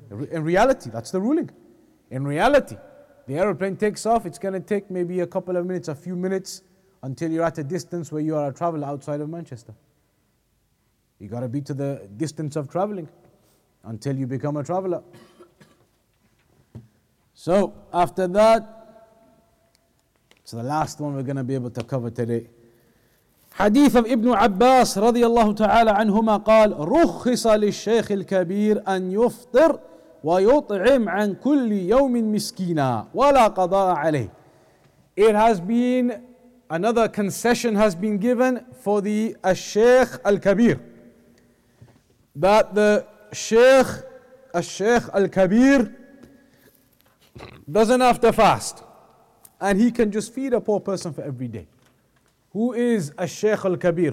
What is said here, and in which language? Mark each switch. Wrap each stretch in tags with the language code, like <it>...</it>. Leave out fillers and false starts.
<en>In reality, that's the ruling. In reality, the airplane takes off, it's going to take maybe a couple of minutes, a few minutes, until you're at a distance where you are a traveler outside of Manchester. You got to be to the distance of traveling until you become a traveler. So after that, it's the last one we're going to be able to cover today.</en> <ar>حديث ابن عباس رضي الله تعالى عنهما قال رخص للشيخ الكبير أن يفطر ويطعم عن كل يوم مسكينا ولا قضاء عليه.</ar> <en>it has been, another concession has been given for the Al-Shaykh Al-Kabir. That the Shaykh, Al-Shaykh Al-Kabir doesn't have to fast. And he can just feed a poor person for every day. Who is Al-Shaykh Al-Kabir?</en>